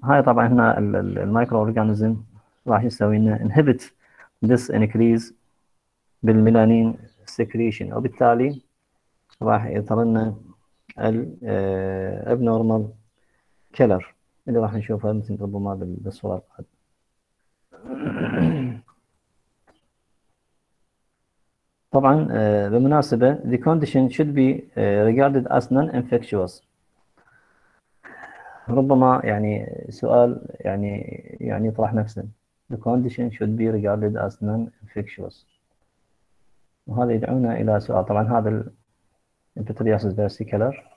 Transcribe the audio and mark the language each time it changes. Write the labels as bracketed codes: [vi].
[ar] هاي طبعا هنا المايكرو اورجانيزم راح يسوي لنا [en] inhibit this increase [ar] بالميلانين secretion وبالتالي راح يظهر لنا ال [en] abnormal color [ar] اللي راح نشوفها مثل ربما بالصورة القادمة. طبعا بالمناسبة [en] the condition should be regarded as non-infectious. [ar] ربما يعني سؤال يعني يطرح نفسه [en] the condition should be regarded as non-infectious [ar] وهذا يدعونا إلى سؤال طبعا هذا ال epithelialis versicolor